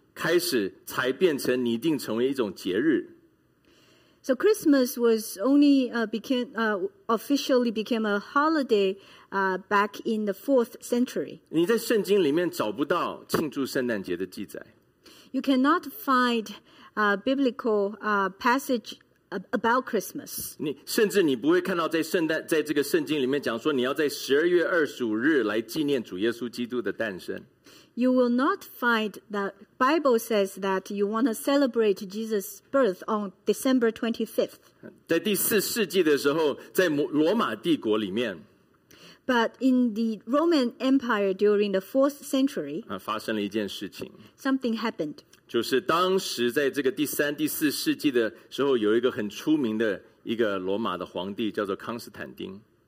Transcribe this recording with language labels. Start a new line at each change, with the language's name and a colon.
Chinese: 开始才变成拟定成为一种节日。
English: So Christmas was only officially became a holiday back in the 4th century.
Chinese: 你在圣经里面找不到庆祝圣诞节的记载。
English: You cannot find a biblical passage about Christmas.
Chinese: 你甚至你不会看到在这个圣经里面讲说你要在12月25日来纪念主耶稣基督的诞生。
English: You will not find that Bible says that you want to celebrate Jesus' birth on December 25th.
Chinese: 在第四世纪的时候，在罗马帝国里面。
English: But in the Roman Empire during the 4th century,
Chinese: 发生了一件事情。
English: Something happened.
Chinese: 就是当时在这个第三、第四世纪的时候，有一个很出名的一个罗马的皇帝，叫做康斯坦丁。